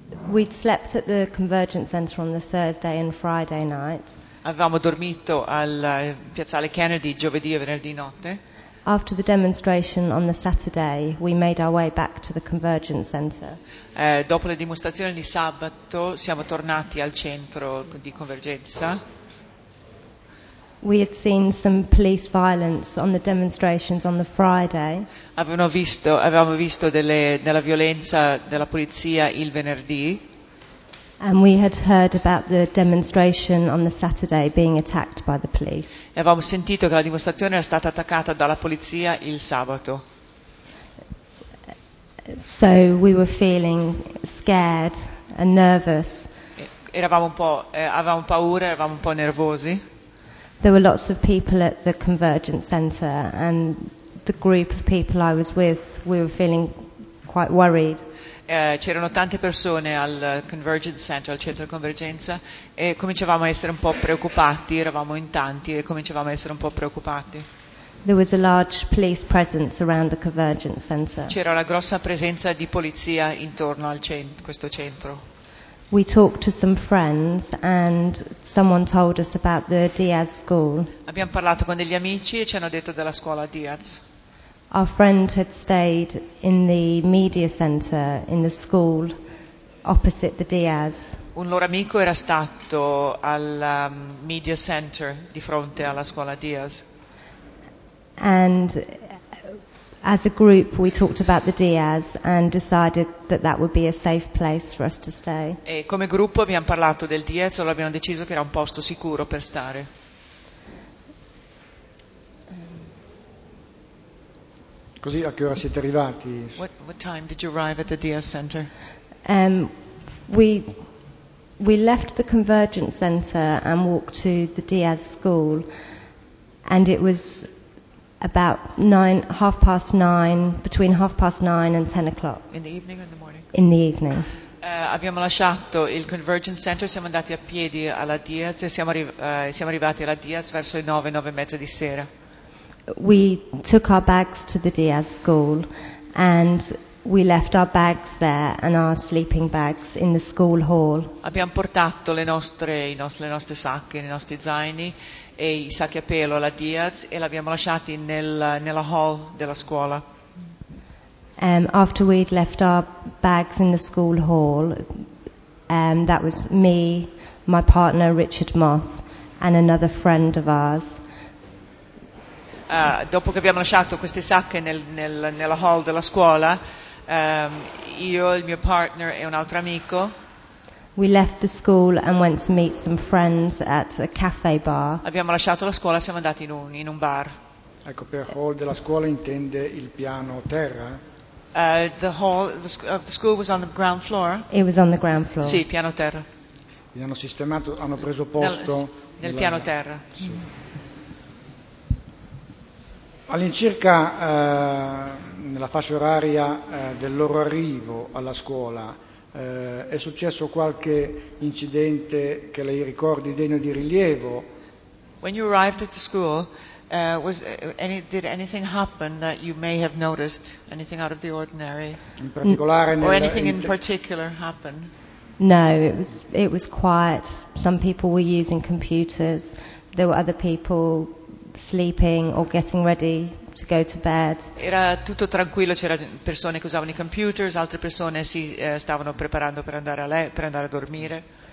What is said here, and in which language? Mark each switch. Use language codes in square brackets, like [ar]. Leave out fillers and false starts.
[en] We'd slept at the Convergence Center on the Thursday and Friday night. [it] Avevamo dormito al Piazzale Kennedy giovedì e venerdì notte. [en] After the demonstration on the Saturday, we made our way back to the Convergence Center. [it] Dopo le dimostrazioni di sabato, siamo tornati al centro di Convergenza. [en] We had seen some police violence on the demonstrations on the Friday. [it] Avevamo visto della violenza della polizia il venerdì. [en] And we had heard about the demonstration on the Saturday being attacked by the police. [it] E avevamo sentito che la dimostrazione era stata attaccata dalla polizia il sabato. [en] So we were feeling scared and nervous. [it] Eravamo un po' nervosi. [en] There were lots of people at the Convergence Center and the group of people I was with, we were feeling quite worried. [it] C'erano tante persone al Convergence Center, al centro di convergenza, e cominciavamo a essere un po' preoccupati, eravamo in tanti e cominciavamo a essere un po' preoccupati. [en] There was a large police presence around the Convergence Center. [it] C'era una grossa presenza di polizia intorno al questo centro. [en] We talked to some friends and someone told us about the Diaz school. [it] Abbiamo parlato con degli amici e ci hanno detto della scuola Diaz. [en] Our friend had stayed in the media center in the school opposite the Diaz. [it] Un loro amico era stato al media center di fronte alla scuola Diaz. [en] And as a group we talked about the Diaz and decided that that would be a safe place for us to stay. [it] E come gruppo abbiamo parlato del Diaz e abbiamo deciso che era un posto sicuro per stare. Così a che ora siete arrivati? [en] What time did you arrive at the Diaz Center? We left the Convergence Center and walked to the Diaz School, and it was about between half past nine and ten o'clock. In the evening or in the morning? In the evening. [it] Abbiamo lasciato il Convergence Center, siamo andati a piedi alla Diaz e siamo arrivati alla Diaz verso le 9:30 di sera. [en] We took our bags to the Diaz school and we left our bags there and our sleeping bags in the school hall. [it] Abbiamo portato le nostre sacche, i nostri zaini e i sacchi a pelo alla Diaz e l'abbiamo lasciati nella hall della scuola. [en] After we'd left our bags in the school hall, that was me, my partner Richard Moss, and another friend of ours. [it] Dopo che abbiamo lasciato queste sacche nella hall della scuola, io, il mio partner e un altro amico. [en] We left the school and went to meet some friends at a cafe bar. [it] Abbiamo lasciato la scuola e siamo andati in un bar. Ecco, per hall della scuola intende il piano terra? [en] The hall of the school was on the ground floor. It was on the ground floor. [it] Sì, piano terra. Quindi hanno sistemato, hanno preso posto nel piano terra. Sì. All'incirca nella fascia oraria del loro arrivo alla scuola è successo qualche incidente che lei ricordi degno di rilievo? [en] When you arrived at the school, did anything happen that you may have noticed? Anything out of the ordinary? [it] In particolare [en] or anything in particular happen? No, it was quiet. Some people were using computers. There were other people sleeping or getting ready to go to bed. [it] Era tutto tranquillo, c'era persone che usavano i computers, altre persone si stavano preparando per andare a dormire.